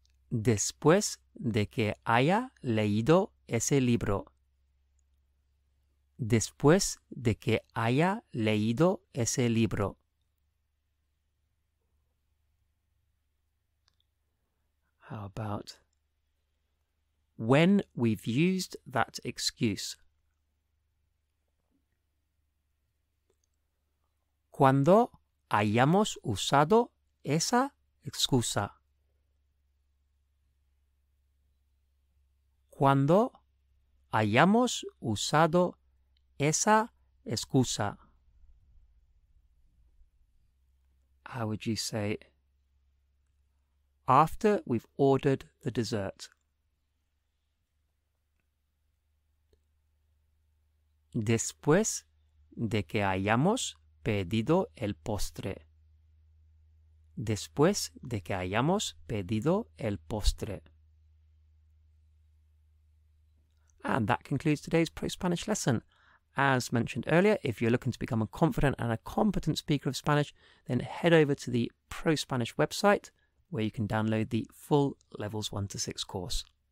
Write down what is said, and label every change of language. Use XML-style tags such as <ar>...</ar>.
<es>Después de que haya leído ese libro. Después de que haya leído ese libro.</es> <en>How about when we've used that excuse?</en> <es>cuando hayamos usado esa excusa. Cuando hayamos usado esa excusa.</es> <en>How would you say it? After we've ordered the dessert.</en> <es>Después de que hayamos pedido el postre. Después de que hayamos pedido el postre.</es> <en>And that concludes today's ProSpanish lesson. As mentioned earlier, if you're looking to become a confident and a competent speaker of Spanish, then head over to the ProSpanish website where you can download the full Levels 1 to 6 course.</en>